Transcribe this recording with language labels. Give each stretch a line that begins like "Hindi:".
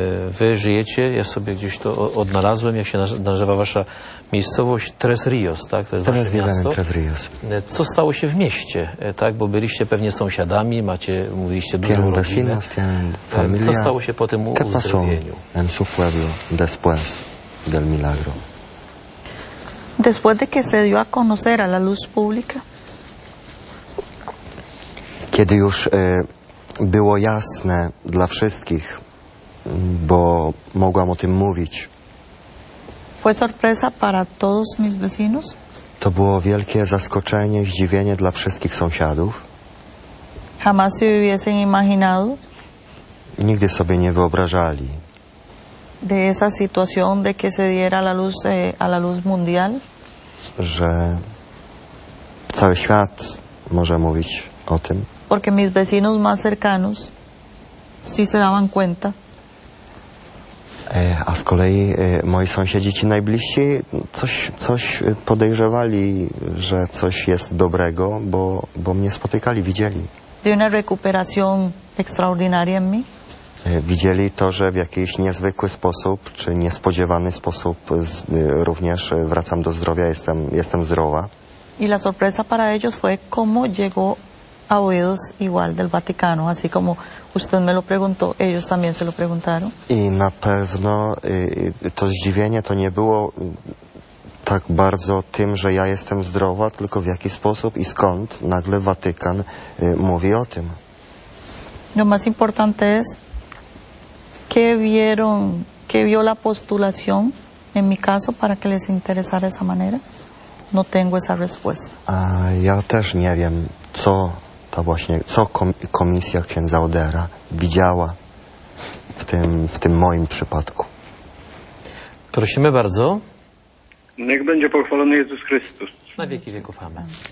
Polish: Wy żyjecie, ja sobie gdzieś to odnalazłem, jak się nazywa wasza miejscowość, Tres Rios, tak? To jest Tres wasze miasto. Tres Rios. Co stało się w mieście, tak? Bo byliście pewnie sąsiadami, mówiliście dużą rodzinę.
Spanish: Vecinos, familia.
Polish: Co stało się po tym uzdrowieniu?
Spanish: En su pueblo, después del milagro. Después de que se dio a conocer a la luz pública.
Polish: Kiedy już było jasne dla wszystkich, bo mogłam o tym mówić.
Spanish: Fue sorpresa para todos mis vecinos.
Polish: To było wielkie zaskoczenie, zdziwienie dla wszystkich sąsiadów.
Spanish: Jamás se hubiesen imaginado.
Polish: Nigdy sobie nie wyobrażali.
Spanish: De esa situación de que se diera a la luz mundial.
Polish: Że cały świat może mówić o tym.
Spanish: Porque mis vecinos más cercanos sí se daban cuenta.
Polish: A z kolei moi sąsiedzi, ci najbliżsi, coś podejrzewali, że coś jest dobrego, bo mnie spotykali, widzieli.
Spanish: De una recuperación extraordinaria en mí.
Polish: Widzieli to, że w jakiś niezwykły sposób, czy niespodziewany sposób również wracam do zdrowia, jestem zdrowa.
Spanish: Y la sorpresa para ellos fue cómo llegó a oídos igual del Vaticano, así como usted me lo preguntó, ellos también se lo preguntaron.
Polish: I na pewno to zdziwienie to nie było tak bardzo tym, że ja jestem zdrowa, tylko w jaki sposób i skąd nagle Watykan mówi o tym.
Spanish: Lo más importante es que vieron, que vio la postulación en mi caso para que les interesara esa manera. No tengo esa respuesta.
Polish: A ja też nie wiem, co to właśnie, co komisja księdza Odera widziała w tym moim przypadku. Prosimy bardzo. Niech będzie pochwalony Jezus Chrystus. Na wieki wieków. Amen.